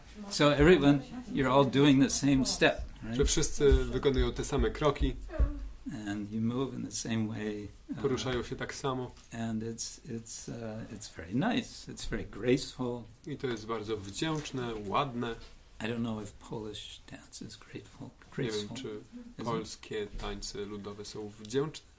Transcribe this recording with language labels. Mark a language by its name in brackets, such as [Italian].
[English] So everyone, you're all doing the same step. Right? [Polish] Że wszyscy wykonują te same kroki. [English] And you move in the same way. [Polish] Poruszają się tak samo. [English] And it's very nice. It's very graceful. [Polish] I to jest bardzo wdzięczne, ładne. [English] I don't know if Polish dance is grateful. [Polish] Nie wiem, czy polskie tańce ludowe są wdzięczne.